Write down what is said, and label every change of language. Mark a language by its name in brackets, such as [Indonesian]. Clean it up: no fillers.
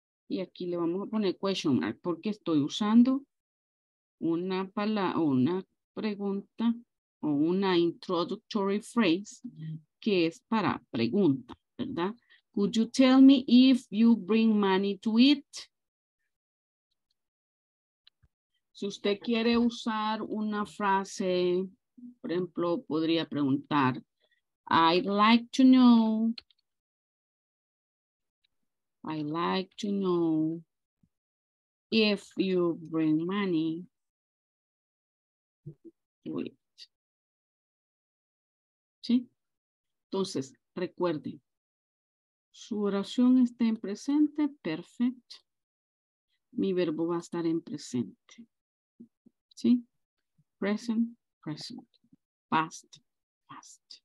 [Spanish] Y aquí le vamos a poner question mark porque estoy usando una pregunta o una introductory phrase que es para pregunta, ¿verdad? [English] Could you tell me if you bring money to eat? [Spanish] Si usted quiere usar una frase, por ejemplo, podría preguntar, [English] I'd like to know. I like to know if you bring money to it. [Spanish] ¿Sí? Entonces, recuerde, su oración está en presente, perfect. Mi verbo va a estar en presente. ¿Sí? [English] Present, present. Past, past.